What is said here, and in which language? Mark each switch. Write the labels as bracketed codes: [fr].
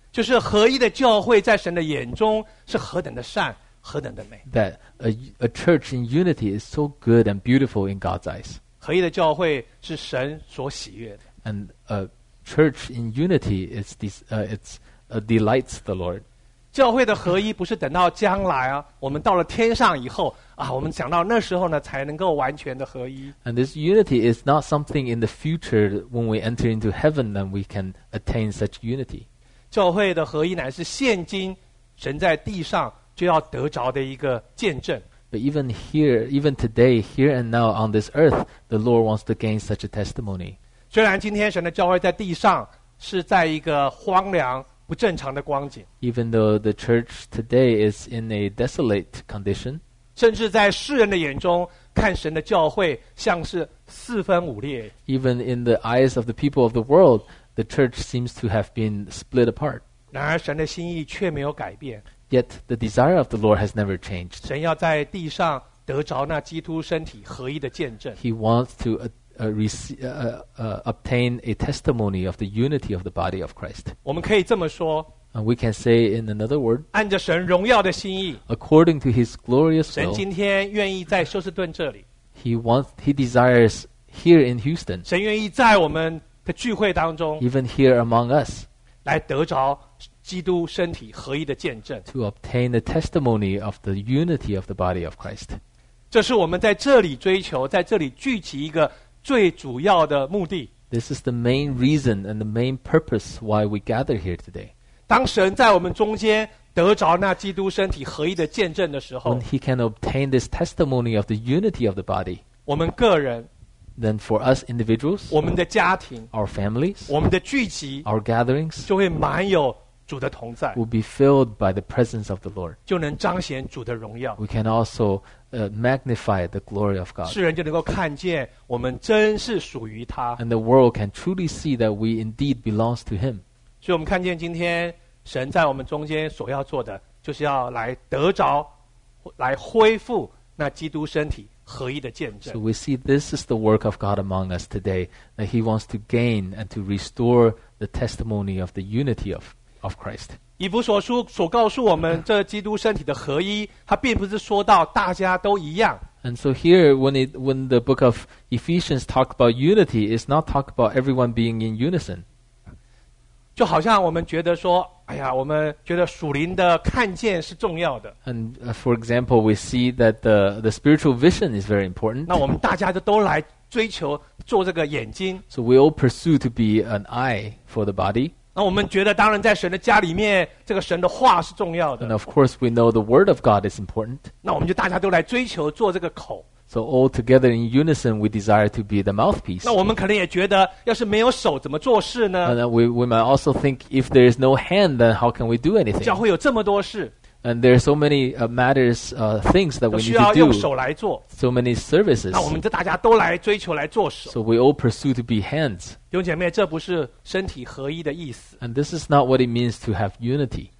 [zh] 就是合一的教会在神的眼中是何等的善何等的美 [en] That a church in unity is so good and beautiful in God's eyes [zh] 合一的教会是神所喜悦的 [en] And a church in unity is this, it'sdelights the Lord. [zh] 教会的合一不是等到将来啊，我们到了天上以后啊，我们想到那时候呢，才能够完全的合一。 [en] And this unity is not something in the future when we enter into heaven, then we can attain such unity. [zh] 教会的合一乃是现今神在地上就要得着的一个见证。 [en] But even here, even today, here and now on this earth, the Lord wants to gain such a testimony. [zh] 虽然今天神的教会在地上是在一个荒凉。不正常的光景 [en] Even though the church today is in a desolate condition [zh] 甚至在世人的眼中看神的教会像是四分五裂 [en] Even in the eyes of the people of the world the church seems to have been split apart [zh] 然而神的心意却没有改变 [en] Yet the desire of the Lord has never changed [zh] 神要在地上得着那基督身体合一的见证 [en] He wants to obtain a testimony of the unity of the body of Christ. [zh] 我们可以这么说。 [en] We can say in another word. [zh] 按着神荣耀的心意。 [en] According to His glorious will. [zh] 神今天愿意在休斯顿这里。 [en] He desires here in Houston. [zh] 神愿意在我们的聚会当中。 [en] Even here among us. [zh] 来得着基督身体合一的见证。 [en] To obtain the testimony of the unity of the body of Christ. [zh] 这是我们在这里追求，在这里聚集一个。最主要的目的 [en] This is the main reason and the main purpose why we gather here today. [zh] 当神在我们中间得着那基督身体合一的见证的时候 [en] When he can obtain this testimony of the unity of the body, [zh] 我们个人 [en] then for us individuals, [zh] 我们的家庭 [en] our families, [zh] 我们的聚集 [en] our gatherings, [zh] 就会满有主的同在 [en] will be filled by the presence of the Lord. [zh] 就能彰显主的荣耀 [en] We can also magnify the glory of God. [zh] 世人就能够看见我们真是属于他 [en] And the world can truly see that we indeed belongs to him. [zh] 所以我们看见今天神在我们中间所要做的就是要来得着来恢复那基督身体合一的见证 [en] So we see this is the work of God among us today that he wants to gain and to restore the testimony of the unity of Christ. [zh] 以弗所书所告诉我们这基督身体的合一它并不是说到大家都一样 [en] And so here when the book of Ephesians talk about unity it's not talk about everyone being in unison [zh] 就好像我们觉得说哎呀我们觉得属灵的看见是重要的 [en] And for example we see that the spiritual vision is very important [zh] 那我们大家都来追求做这个眼睛 [en] So we all pursue to be an eye for the body [zh] 那我们觉得当然在神的家里面这个神的话是重要的 [en] And of course we know the word of God is important [zh] 那我们就大家都来追求做这个口 [en] So all together in unison we desire to be the mouthpiece [zh] 那我们可能也觉得要是没有手怎么做事呢 [en] And we might also think if there is no hand then how can we do anything [zh] 教会有这么多事 [en] And there are so many matters, things that we need to do. [zh] 都需要用手来做。 [en] So many services. [zh] 那我们就大家都来追求来做手。 [en] So we all pursue to be hands. [zh] 弟兄姐妹，这不是身体合一的意思。 [en] And this is not what it means to have unity.